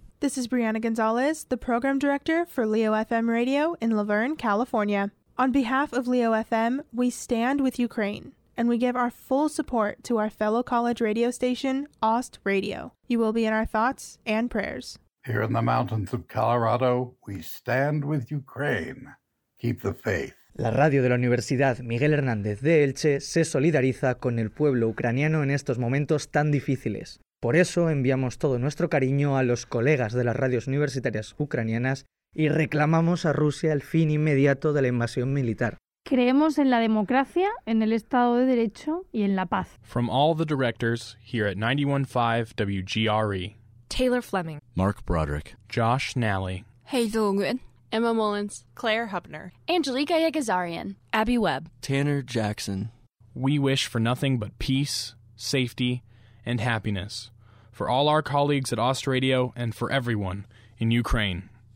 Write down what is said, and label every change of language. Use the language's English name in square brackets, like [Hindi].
[English] This is Brianna Gonzalez, the program director for Leo FM Radio in La Verne, California. On behalf of Leo FM, we stand with Ukraine, and we give our full support to our fellow college radio station, OST Radio. You will be in our thoughts and prayers. Here in the mountains of Colorado, we stand with Ukraine. Keep the faith. [Spanish] La radio de la Universidad Miguel Hernández de Elche se solidariza con el pueblo ucraniano en estos momentos tan difíciles. Por eso enviamos todo nuestro cariño a los colegas de las radios universitarias ucranianas y reclamamos a Rusia el fin inmediato de la invasión militar. Creemos en la democracia, en el Estado de Derecho y en la paz. [English] From all the directors here at 91.5 WGRE. Taylor Fleming. Mark Broderick. Josh Nally. Hazel Nguyen. Emma Mullins. Claire Hubner. Angelica Yegazarian. Abby Webb. Tanner Jackson. We wish for nothing but peace, safety, and happiness for all our colleagues at OST Radio and for everyone in Ukraine.